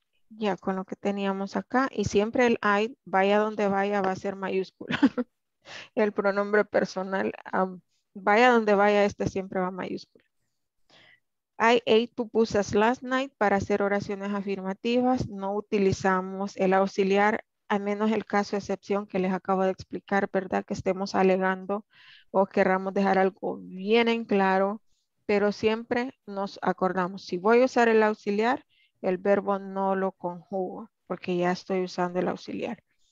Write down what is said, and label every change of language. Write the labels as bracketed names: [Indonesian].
[Spanish] ya con lo que teníamos acá, y siempre el I, vaya donde vaya, va a ser mayúscula. El pronombre personal, vaya donde vaya, este siempre va mayúscula. [English] I ate pupusas last night. [Spanish] Para hacer oraciones afirmativas, no utilizamos el auxiliar, a menos el caso de excepción que les acabo de explicar, ¿verdad? Que estemos alegando o querramos dejar algo bien en claro, pero siempre nos acordamos, si voy a usar el auxiliar, el verbo no lo conjugo porque ya estoy usando el auxiliar.